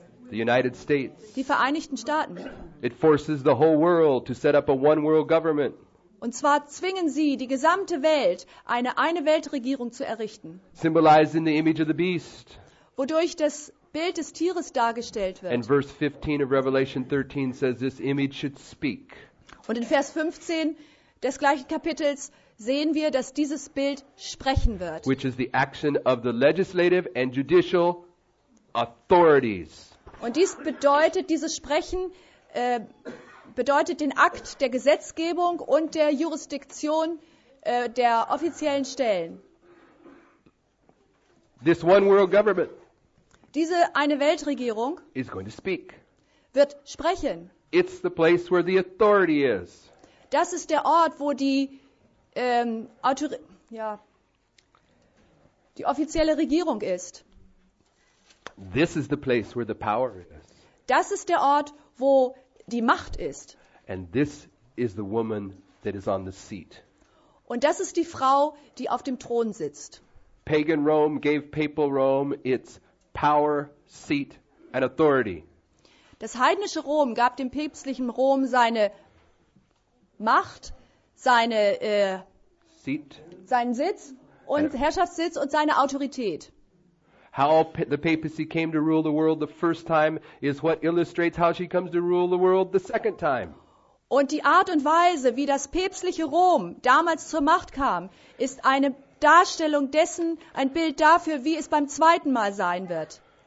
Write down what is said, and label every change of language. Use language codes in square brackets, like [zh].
[en] The United States. [de] Die Vereinigten Staaten. [en] It forces the whole world to set up a one world government. [de] Und zwar zwingen sie die gesamte Welt, eine Weltregierung zu errichten. [en] Symbolizing the image of the beast. [de] Wodurch das Bild des Tieres dargestellt wird. [en] And verse 15 of Revelation 13 says this image should speak. [de] Und in Vers 15 des gleichen Kapitels sehen wir, dass dieses Bild sprechen wird. [en] Which is the action of the legislative and judicial authorities. [de] Und dies bedeutet, dieses Sprechen bedeutet den Akt der Gesetzgebung und der Jurisdiktion der offiziellen Stellen. [en] This one world government [de] diese eine Weltregierung [en] is going to speak. [de] Wird sprechen. [en] It's the place where the authority is. [de] Das ist der Ort, wo die, die offizielle Regierung ist. [en] This is the place where the power is. [de] Das ist der Ort, wo die Macht ist. [en] And this is the woman that is on the seat. [de] Und das ist die Frau, die auf dem Thron sitzt. [en] Pagan Rome gave papal Rome its power, seat and authority. [de] Das heidnische Rom gab dem päpstlichen Rom seine Macht, seine [en] seat. [de] Seinen Sitz und Herrschaftssitz und seine Autorität. [en] How the papacy came to rule the world the first time is what illustrates how she comes to rule the world the second time. [de] Und die Art und Weise, wie das päpstliche Rom damals zur Macht kam, ist eine Darstellung dessen, ein Bild dafür, wie es beim zweiten Mal sein wird.